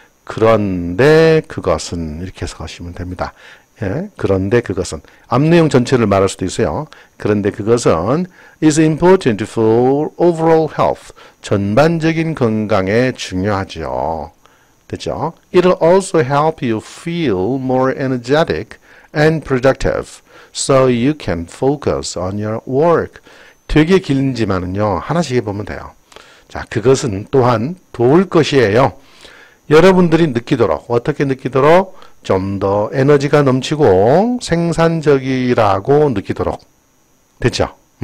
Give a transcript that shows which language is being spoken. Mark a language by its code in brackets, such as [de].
[ko] 그런데 그것은 이렇게 해석하시면 됩니다. 예, 그런데 그것은 앞 내용 전체를 말할 수도 있어요. 그런데 그것은 [en] is important for overall health. [ko] 전반적인 건강에 중요하죠. 됐죠? [en] It'll also help you feel more energetic and productive so you can focus on your work. [ko] 되게 길지만은요, 하나씩 해보면 돼요. 자, 그것은 또한 도울 것이에요. 여러분들이 느끼도록, 어떻게 느끼도록? 좀더 에너지가 넘치고 생산적이라고 느끼도록. 됐죠?